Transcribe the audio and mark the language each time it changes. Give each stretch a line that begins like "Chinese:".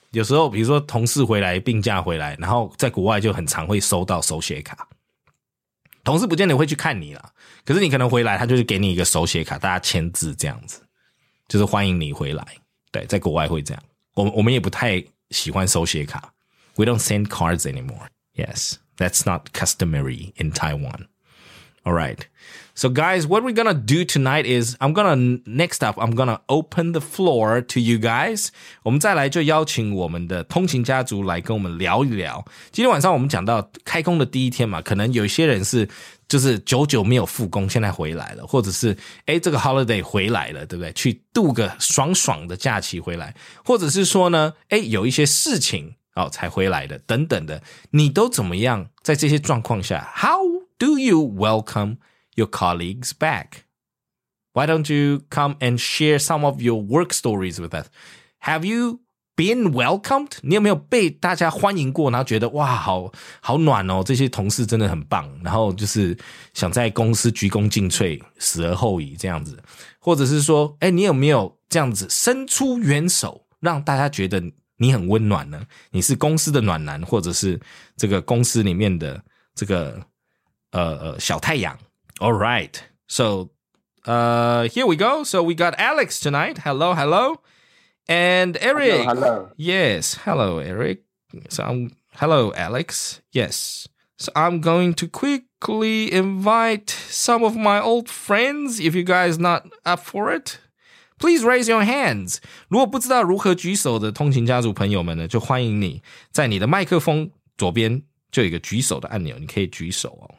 Chinese: 有时候比如说同事回来病假回来然后在国外就很常会收到手写卡。同事不见得会去看你啦可是你可能回来他就是给你一个手写卡大家签字这样子。就是欢迎你回来。对在国外会这样。我们也不太喜欢手写卡。
English: We don't send cards anymore. Yes, that's not customary in Taiwan. Alright. So guys, what we're gonna do tonight is, next up, I'm gonna open the floor to you guys.
Chinese: 我们再来就邀请我们的通勤家族来跟我们聊一聊。今天晚上我们讲到开工的第一天嘛，可能有些人是就是久久没有复工，现在回来了，或者是这个 holiday 回来了，对不对？去度个爽爽的假期回来，或者是说呢，有一些事情哦才回来的等等的，你都怎么样在这些状况下 ？
English: How do you welcome your colleagues back? Why don't you come and share some of your work stories with us? Have you been welcomed?
Chinese: 你有没有被大家欢迎过然后觉得哇好好暖哦这些同事真的很棒然后就是想在公司鞠躬尽瘁死而后已这样子或者是说你有没有这样子伸出援手让大家觉得你很温暖呢你是公司的暖男或者是这个公司里面的这个小太阳All right.
English: So, here we go. So we got Alex tonight. Hello, hello. And Eric. Hello, hello. Yes. Hello, Eric. Hello, Alex. Yes. So I'm going to quickly invite some of my old friends. If you guys not up for it, please raise your hands.
Chinese: 如果不知道如何举手的通勤家族朋友们呢，就欢迎你在你的麦克风左边就有一个举手的按钮，你可以举手哦。